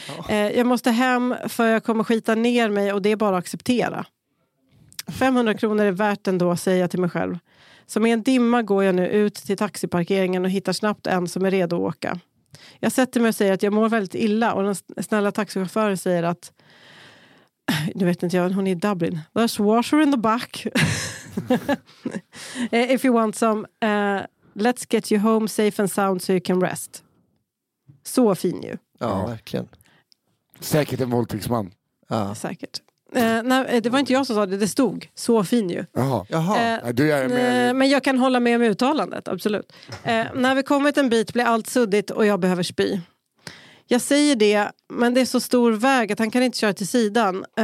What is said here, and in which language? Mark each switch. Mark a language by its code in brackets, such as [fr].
[sv] Jag måste hem för jag kommer skita ner mig och det är bara att acceptera. 500 kronor är värt ändå, säger jag till mig själv. Som i en dimma går jag nu ut till taxiparkeringen och hittar snabbt en som är redo att åka. Jag sätter mig och säger att jag mår väldigt illa och den snälla taxichauffören säger att... Nu vet inte jag, hon är i Dublin. [en] There's water in the back. If you want some, let's get you home safe and sound so you can rest. [sv] Så fin ju. Ja, verkligen. Säkert en våldtäktsman. Ja. Säkert. Nej, det var inte jag som sa det. Det stod så fin ju. Jaha. Men jag kan hålla med om uttalandet, absolut. När vi kommit en bit blir allt suddigt och jag behöver spy. Jag säger det, men det är så stor väg att han kan inte köra till sidan.